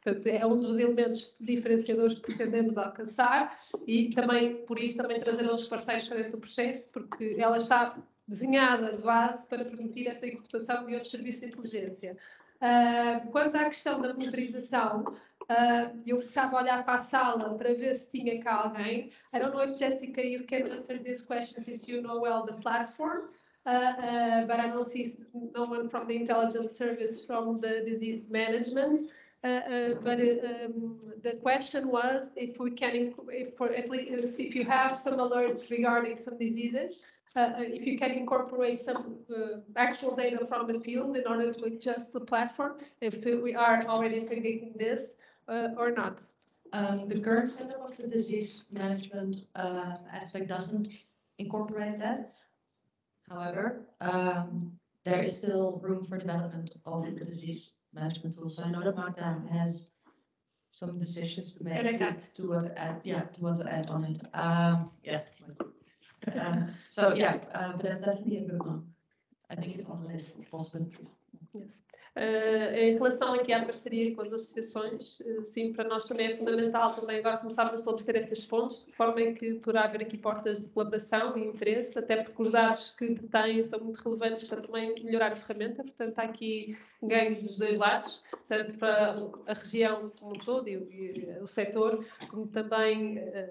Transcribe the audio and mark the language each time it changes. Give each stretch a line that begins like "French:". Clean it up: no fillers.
Portuguese: Portanto, é um dos elementos diferenciadores que pretendemos alcançar e também, por isso, também trazer outros parceiros para dentro do processo, porque ela está desenhada de base para permitir essa incorporação de outros serviços de inteligência. Quanto à questão da monitorização, eu ficava a olhar para a sala para ver se tinha cá alguém.
English: I don't know if Jessica, you can answer this question since you know well the platform. But I don't see no one from the intelligence service from the disease management. The question was if we can, if you have some alerts regarding some diseases, if you can incorporate some actual data from the field in order to adjust the platform, if we are already predicting this or not. The current setup of the disease management aspect doesn't incorporate that. However, there is still room for development of the disease management tool. So I know that Magdan has some decisions to make to what to add on it. But that's definitely a good one. I think it's on the list of possibilities. Yes.
Portuguese: Em relação aqui à parceria com as associações, sim, para nós também é fundamental também agora começarmos a solicitar estas fontes, de forma em que poderá haver aqui portas de colaboração e interesse, até porque os dados que detêm são muito relevantes para também melhorar a ferramenta, portanto há aqui ganhos dos dois lados, tanto para a região como um todo e o setor, como também